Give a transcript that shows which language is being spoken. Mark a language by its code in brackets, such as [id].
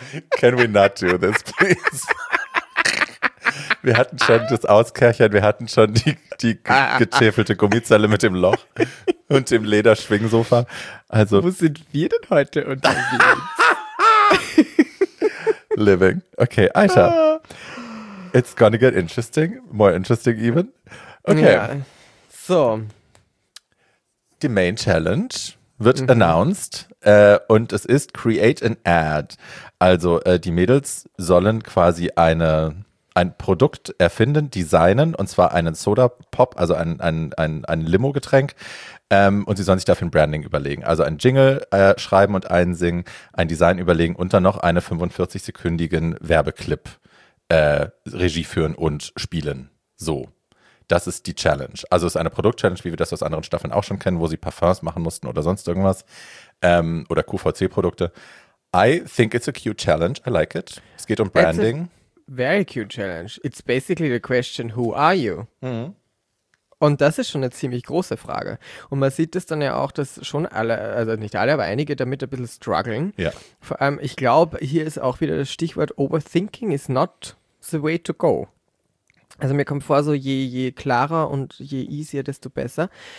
[en] Can we not do this, please? [de] Wir hatten schon das Auskärchern, wir hatten schon die getäfelte Gummizelle mit dem Loch und dem Lederschwingsofa. Also, wo sind wir denn heute unterwegs? [en] Living. Okay, Alter. It's gonna get interesting. More interesting even. Okay. Ja. So. [de] Die Main Challenge wird announced und es ist Create an Ad. Also die Mädels sollen quasi ein Produkt erfinden, designen und zwar einen Soda Pop, also ein Limo-Getränk. Und sie sollen sich dafür ein Branding überlegen. Also ein Jingle schreiben und einsingen, ein Design überlegen und dann noch einen 45-sekündigen Werbeclip Regie führen und spielen. So, das ist die Challenge. Also es ist eine Produkt-Challenge, wie wir das aus anderen Staffeln auch schon kennen, wo sie Parfums machen mussten oder sonst irgendwas. Oder QVC-Produkte. [en] I think it's a cute challenge. I like it. [de] Es geht um Branding. [en] It's a very cute challenge. It's basically the question, who are you? [de] Und das ist schon eine ziemlich große Frage. Und man sieht es dann ja auch, dass schon alle, also nicht alle, aber einige damit ein bisschen strugglen. Ja. Vor allem, ich glaube, hier ist auch wieder das Stichwort, [en] overthinking is not the way to go. [de] Also mir kommt vor, so je klarer und je easier, desto besser.